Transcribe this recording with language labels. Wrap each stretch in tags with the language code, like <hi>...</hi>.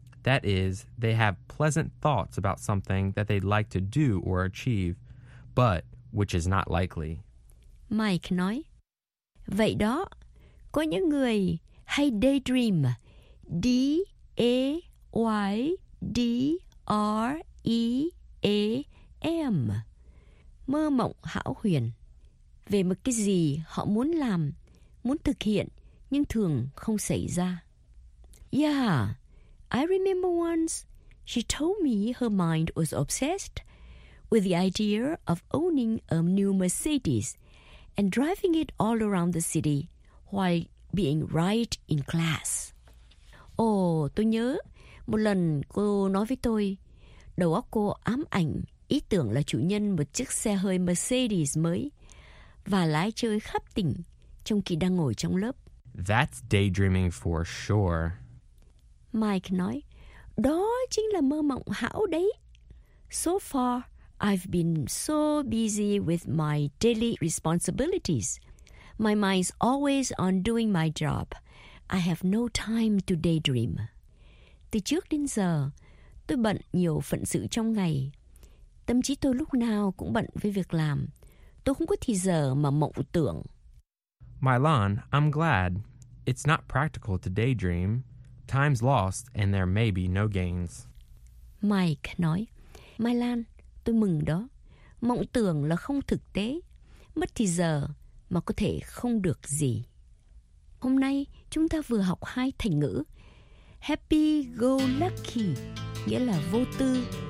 <en>That is, they have pleasant thoughts about something that they'd like to do or achieve, but which is not likely.</en> <vi>Mike nói, vậy đó, có những người hay daydream, D-A-Y-D-R-E-A-M, mơ mộng hão huyền, về một cái gì họ muốn làm, muốn thực hiện, nhưng thường không xảy ra.</vi> <en>Yeah, I remember once she told me her mind was obsessed with the idea of owning a new Mercedes and driving it all around the city while being right in class.</en> <vi>Oh, tôi nhớ một lần cô nói với tôi, đầu óc cô ám ảnh ý tưởng là chủ nhân một chiếc xe hơi Mercedes mới và lái chơi khắp tỉnh trong khi đang ngồi trong lớp.</vi> <en>That's daydreaming for sure.</en> <vi>Mike nói, đó chính là mơ mộng hão đấy.</vi> <en>So far, I've been so busy with my daily responsibilities. My mind's always on doing my job. I have no time to daydream.</en> <vi>Từ trước đến giờ, tôi bận nhiều phận sự trong ngày. Tâm trí tôi lúc nào cũng bận với việc làm. Tôi không có thì giờ mà mộng tưởng.</vi> <en>Mylan, I'm glad. It's not practical to daydream. Time's lost and there may be no gains.</en> <vi>Mike nói, Mai Lan, tôi mừng đó. Mộng tưởng là không thực tế. Mất thì giờ mà có thể không được gì. Hôm nay chúng ta vừa học hai thành ngữ. Happy go lucky nghĩa là vô tư.</vi>